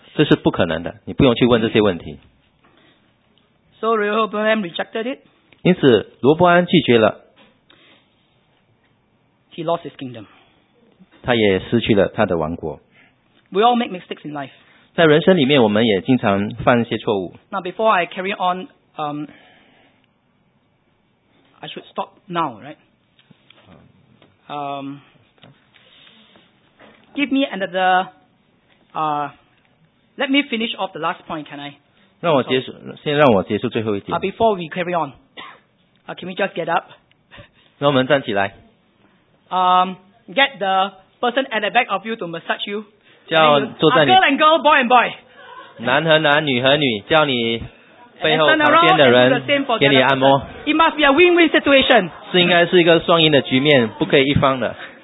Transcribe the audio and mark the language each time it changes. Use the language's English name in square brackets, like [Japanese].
[Chinese] 这是不可能的，你不用去问这些问题。 [English] So Rehoboam rejected it. [Chinese] 因此罗伯安拒绝了。 [English] He lost his kingdom. [Chinese] 他也失去了他的王国。 [English] We all make mistakes in life. [Chinese] 在人生里面，我们也经常犯一些错误。 [English] Now before I carry on, I should stop now, right? Give me another. Let me finish off the last point. Can I? [Chinese] 让我结束，先让我结束最后一点。 [English] Before we carry on, can we just get up? [Chinese] 让我们站起来。 [English] Get the person at the back of you to massage you. [Chinese] 叫坐在你。 [English] Girl and girl, boy and boy. [Chinese] 男和男，女和女，叫你背后旁边的人给你按摩。 [English] It must be a win-win situation. [Chinese] 是应该是一个双赢的局面，不可以一方的。